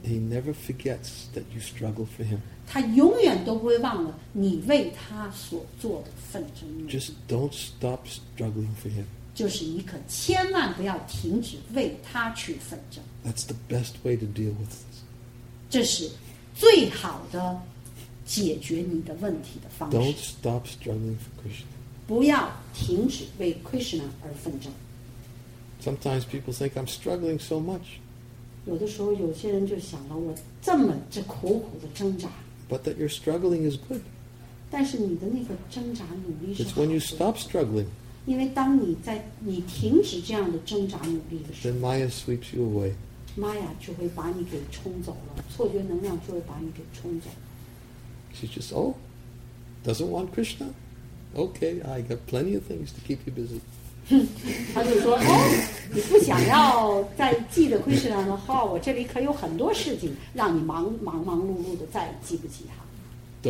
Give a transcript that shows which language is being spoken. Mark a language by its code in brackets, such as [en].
[en] He never forgets that you struggle for him. [zh] 他永远都不会忘了你为他所做的奋争。 [en] Just don't stop struggling for him. [zh] 就是你可千万不要停止为他去奋争。 [en] That's the best way to deal with this. [zh] 这是最好的解决你的问题的方式。 [en] Don't stop struggling for Krishna. [zh] 不要停止为 Krishna 而奋争。 [en] Sometimes people think I'm struggling so much. [zh] 有的时候有些人就想了，我这么这苦苦的挣扎。 [en] But that your struggling is good. [zh] 但是你的那个挣扎努力是好的。 [en] It's when you stop struggling. [zh] 因为当你在你停止这样的挣扎努力的时候 [en] ，then Maya sweeps you away. [zh] Maya 就会把你给冲走了，错觉能量就会把你给冲走。 [en] She just oh, doesn't want Krishna. Okay, I got plenty of things to keep you busy. [zh] 他就说哦，你不想要再记得 Krishna 的话，我这里可有很多事情让你忙碌碌的，再记不起他。